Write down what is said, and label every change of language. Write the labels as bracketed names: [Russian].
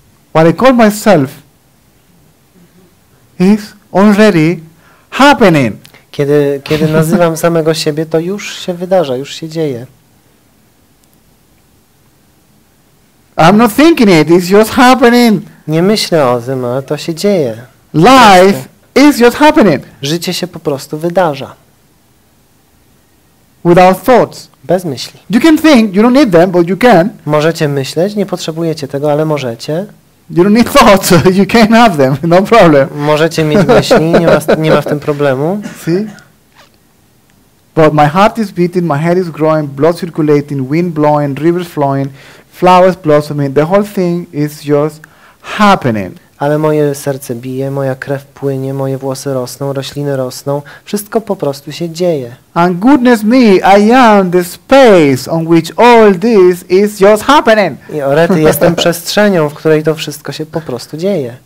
[English] What I call myself is already happening. [Polish] Kiedy nazywam samego siebie, to już się wydarza, już się dzieje. [English] I'm not thinking it, it's just happening. [Polish] Nie myślę o tym, ale to się dzieje. [English] Life is just happening. [Polish] Życie się po prostu wydarza. [English] Without thoughts. [Polish] Bez myśli. [English] You can think, you don't need them, but you can. [Polish] Możecie myśleć, nie potrzebujecie tego, ale możecie. [English] You don't need thoughts, you can have them, no problem. [Polish] Możecie mieć myśli, nie ma w tym problemu. [English] See? But my heart is beating, my head is growing, blood circulating, wind blowing, rivers flowing, flowers blossoming, the whole thing is just happening. [Polish] Ale moje serce bije, moja krew płynie, moje włosy rosną, rośliny rosną, wszystko po prostu się dzieje. [English] And goodness me, I am the space on which all this is just happening. [Polish] I o rety, jestem przestrzenią, w której to wszystko się po prostu dzieje.